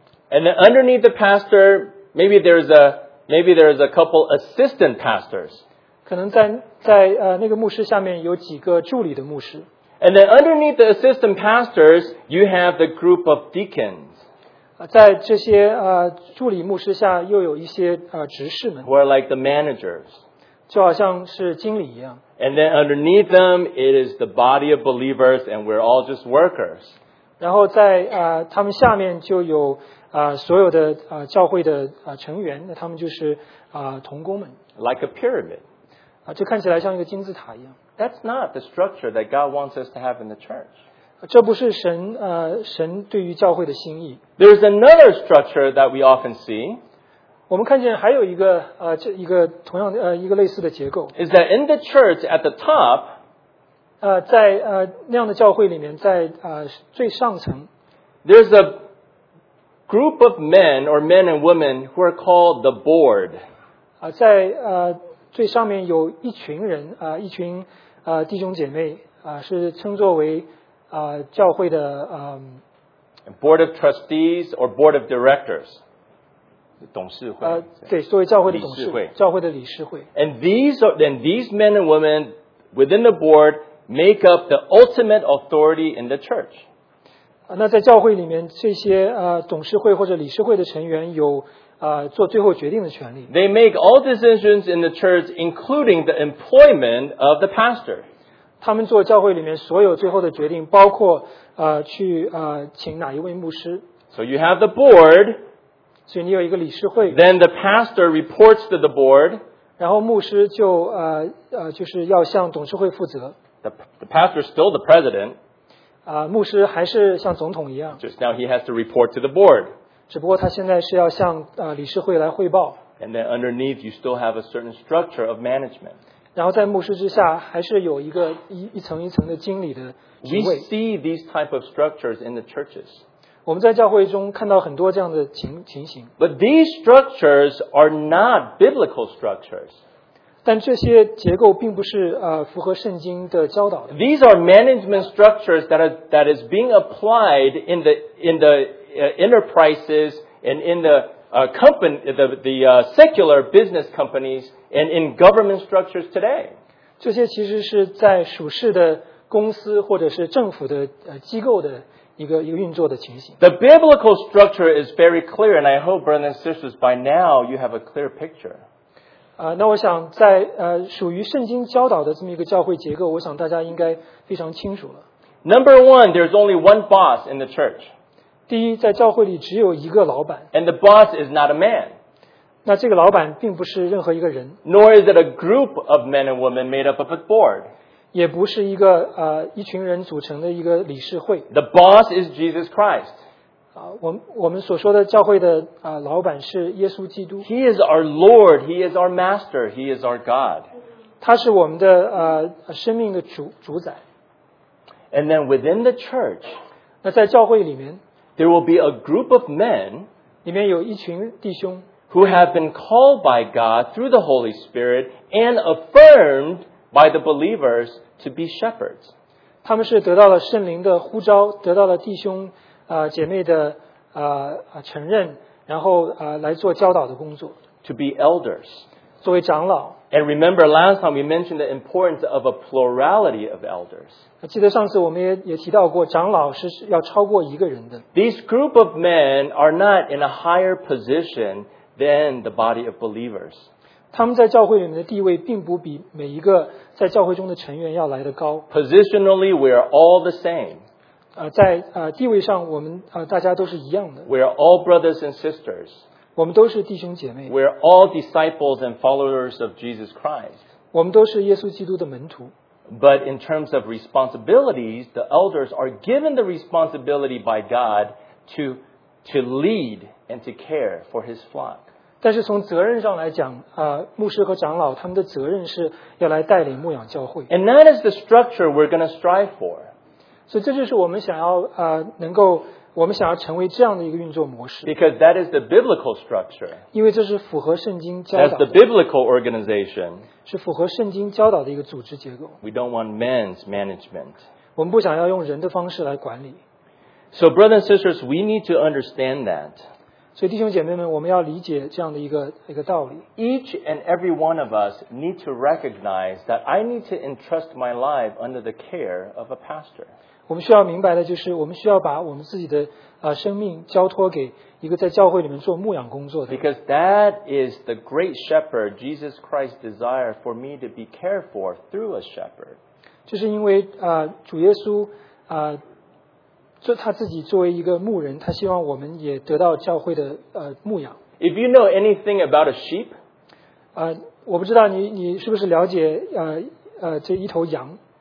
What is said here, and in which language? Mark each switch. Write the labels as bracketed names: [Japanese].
[English] And then underneath the pastor, maybe there's a couple assistant pastors. [Chinese] 可能在那个牧师下面有几个助理的牧师。 [English] And then underneath the assistant pastors, you have the group of deacons. [Chinese] 在这些助理牧师下又有一些执事们。 [English] Who are like the managers. [Chinese] 就好像是经理一样。 [English] And then underneath them, it is the body of believers and we're all just workers. [Chinese] 然后在他们下面就有所有的教会的成员，那他们就是同工们。 [English] Like a pyramid. [Chinese] 这看起来像一个金字塔一样。 [English] That's not the structure that God wants us to have in the church. [Chinese] 这不是神对于教会的心意。 [English] There's another structure that we often see. [Chinese] 我们看见还有一个一个同样一个类似的结构。 [English] Is that in the church at the top, [Chinese] 在那样的教会里面在最上层。 [English] There's a group of men or men and women who are called the board. [Chinese] 在最上面有一群人一群弟兄姐妹是称作为教会的 [English] board of trustees or board of directors [Chinese] 董事会对作为教会的董事会教会的理事会 [English] and these men and women within the board make up the ultimate authority in the church [Chinese] 那在教会里面这些董事会或者理事会的成员有做最后决定的权利。 [English] They make all decisions in the church, including the employment of the pastor. [Chinese] 他们做教会里面所有最后的决定，包括去请哪一位牧师。 [English] So you have the board. [Chinese] 所以你有一个理事会。 [English] Then the pastor reports to the board. [Chinese] 然后牧师就就是要向董事会负责。 [English] The pastor is still the president. [Chinese] 牧师还是像总统一样。 [English] Just now he has to report to the board. [Chinese] 只不过他现在是要向理事会来汇报。 [English] And then underneath, you still have a certain structure of management. [Chinese] 然后在牧师之下，还是有一个一层一层的经理的职位。 [English] We see these type of structures in the churches. [Chinese] 我们在教会中看到很多这样的情形。 [English] But these structures are not biblical structures. [Chinese] 但这些结构并不是符合圣经的教导的。 [English] These are management structures that is being applied in the enterprises and in the company, the secular business companies and in government structures today. [Chinese] 这些其实是在属世的公司或者是政府的机构的一个运作的情形。 [English] The biblical structure is very clear, and I hope, brothers and sisters, by now you have a clear picture. [Chinese] 那我想在属于圣经教导的这么一个教会结构，我想大家应该非常清楚了。 [English] Number one, there's only one boss in the church. [Chinese] 第一，在教会里只有一个老板。 [English] And the boss is not a man. [Chinese] 那这个老板并不是任何一个人。 [English] Nor is it a group of men and women made up of a board. [Chinese] 也不是一个一群人组成的一个理事会。 [English] The boss is Jesus Christ. [Chinese] 我们所说的教会的老板是耶稣基督。 [English] He is our Lord. He is our Master. He is our God. [Chinese] 他是我们的生命的主宰。 [English] And then within the church. [Chinese] 那在教会里面。 [English] There will be a group of men [Chinese] 里面有一群弟兄 [English] who have been called by God through the Holy Spirit and affirmed by the believers to be shepherds. [Chinese] 他们是得到了圣灵的呼召，得到了弟兄姐妹的承认，然后来做教导的工作。 [English] To be elders. [Chinese] 作为长老。 [English] And remember last time we mentioned the importance of a plurality of elders. [Chinese] 记得上次我们也提到过，长老是要超过一个人的。 [English] These group of men are not in a higher position than the body of believers. [Chinese] 他们在教会里面的地位并不比每一个在教会中的成员要来得高。 [English] Positionally, we are all the same. [Chinese] 在地位上我们大家都是一样的。 [English] We are all brothers and sisters. [Chinese] 我们都是弟兄姐妹。 [English] We are all disciples and followers of Jesus Christ. [Chinese] 我们都是耶稣基督的门徒。 [English] But in terms of responsibilities, the elders are given the responsibility by God to lead and to care for His flock. [Chinese] 但是从责任上来讲，牧师和长老他们的责任是要来带领牧养教会。 [English] And that is the structure we're going to strive for. [Chinese] 所以这就是我们想要能够。我们想要成为这样的一个运作模式。 [English] Because that is the biblical structure. [Chinese] 因为这是符合圣经教导的。 [English] That's the biblical organization. [Chinese] 是符合圣经教导的一个组织结构。 [English] We don't want men's management. [Chinese] 我们不想要用人的方式来管理。 [English] So brothers and sisters, we need to understand that. [Chinese] 所以弟兄姐妹们，我们要理解这样的一个道理。 [English] Each and every one of us need to recognize that I need to entrust my life under the care of a pastor. [Chinese] 我们需要明白的就是，我们需要把我们自己的生命交托给一个在教会里面做牧养工作的。 [English] Because that is the great shepherd Jesus Christ desire for me to be cared for through a shepherd. [Chinese] 就是因为主耶稣他自己作为一个牧人，他希望我们也得到教会的牧养。 [English] If you know anything about a sheep, [Chinese] 我不知道你是不是了解这一头羊。